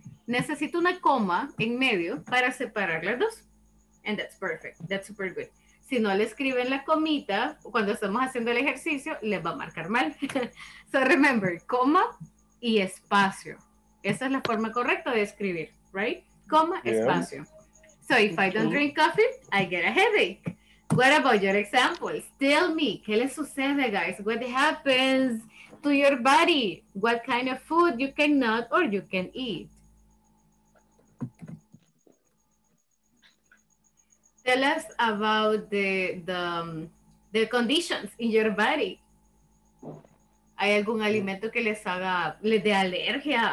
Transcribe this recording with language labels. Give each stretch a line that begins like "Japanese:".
Spanish: Necesito una coma en medio para separar las dos.
English: And that's perfect. That's super good.
Spanish: Si no le escriben la comita, cuando estamos haciendo el ejercicio, les va a marcar mal.
English: So remember,
Spanish: coma y espacio. Esa es la forma correcta de escribir, right? Coma, yeah. Espacio.
English: So if I don't drink coffee, I get a headache. What about your examples? Tell me,
Spanish: ¿qué le sucede,
English: guys? What happens to your body? What kind of food you cannot or you can eat? Tell us about the conditions in your body.
Spanish: ¿Hay algún alimento que les haga, les dé alergia?